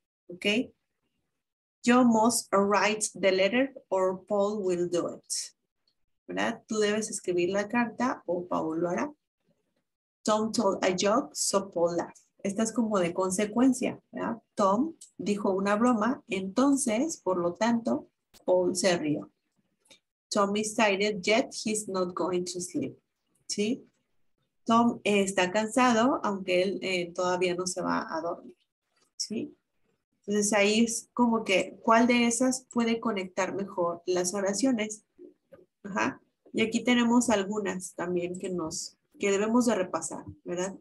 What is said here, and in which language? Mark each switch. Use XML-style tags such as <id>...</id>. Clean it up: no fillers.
<en>Ok, yo must write the letter or Paul will do it,</en> <es>¿verdad? Tú debes escribir la carta o Paul lo hará.</es> <en>Tom told a joke, so Paul laughed.</en> <es>Esta es como de consecuencia, ¿verdad? Tom dijo una broma, entonces, por lo tanto, Paul se rió.</es> <en>Tom is tired, yet he's not going to sleep.</en> <es>¿Sí? Tom está cansado, aunque él todavía no se va a dormir. ¿Sí? Entonces ahí es como que, ¿cuál de esas puede conectar mejor las oraciones? Ajá. Y aquí tenemos algunas también que debemos de repasar, ¿verdad?</es>